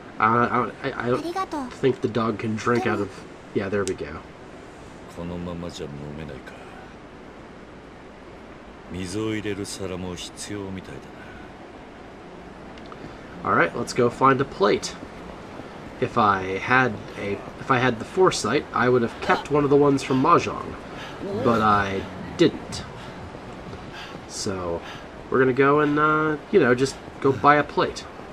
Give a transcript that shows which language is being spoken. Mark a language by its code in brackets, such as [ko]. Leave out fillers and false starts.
[en] I don't think the dog can drink out of. Yeah, there we go. [ja] このままじゃ飲めないか。水を入れる皿も必要みたいだな。 [en] All right, let's go find a plate. If I had the foresight, I would have kept one of the ones from Mahjong, but I didn't. So, we're gonna go and, just go buy a plate.